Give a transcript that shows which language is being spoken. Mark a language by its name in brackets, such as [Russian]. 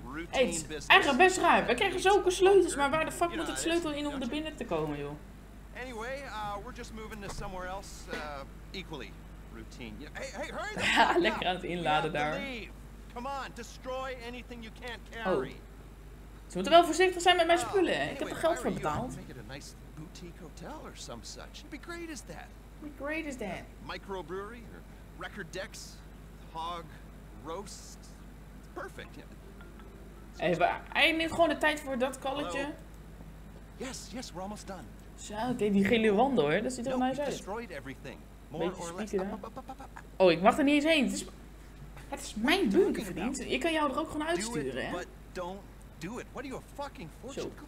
[Dutch] Hey, het is eigenlijk best ruim. We krijgen zulke sleutels, maar waar de fuck moet het sleutel in om er binnen te komen, joh? [English] Anyway, we're just moving to somewhere else equally routine. Hey, hurry! [Dutch] Lekker aan het inladen daar. [English] Come on, destroy anything you can't carry. [Dutch] Ze moeten wel voorzichtig zijn met mijn spullen. Ik heb er geld voor betaald. [English] Boutique hotel or some such. It'd be great as that. Be great as that. Microbrewery or record decks, hog roast. It's perfect. Yeah. [Dutch] Even. Hij neemt gewoon de tijd voor dat kalletje. [English] Yes, we're almost done. [Dutch] Zo, oké, die gele wand hoor. Dat ziet er nice uit. [English] We've destroyed everything. [Dutch] Beetje spieken daar. Oh, ik mag er niet eens heen. Het is mijn bunker, vriend. Ik kan jou er ook gewoon uitsturen, hè? [English] What are you a fucking fortune cookie?